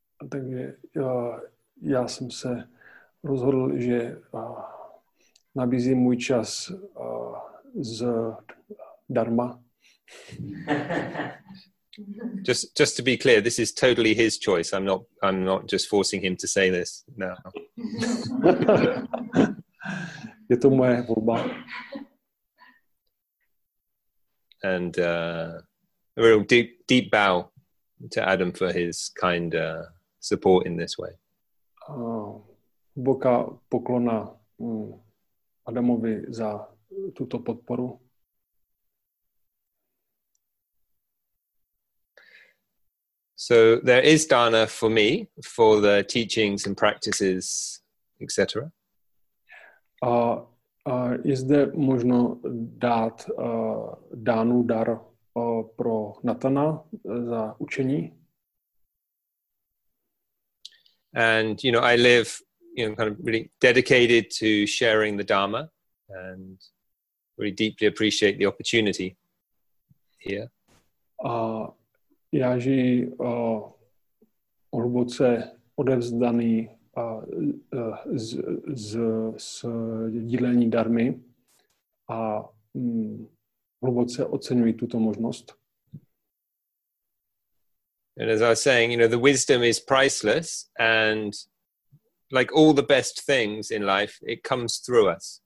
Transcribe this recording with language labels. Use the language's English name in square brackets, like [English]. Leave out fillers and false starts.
[Czech] Takže já jsem se rozhodl, že nabízím můj čas zdarma. [English] Just to be clear, this is totally his choice. I'm not just forcing him to say this now. [Czech] Je to moje volba. [English] And a real deep bow to Adam for his kind support in this way. [Czech] Hluboká poklona Adamovi za tuto podporu. [English] So there is dana for me for the teachings and practices, etc. [Czech] Je zde možno dát dánu dar pro Natana za učení. [English] And you know, I live, you know, kind of really dedicated to sharing the Dharma, and really deeply appreciate the opportunity here. [Czech] Já žiji hluboce odevzdaný z dílení darmy a hluboce oceňuji tuto možnost. [English] And as I was saying, you know, the wisdom is priceless and like all the best things in life, it comes through us.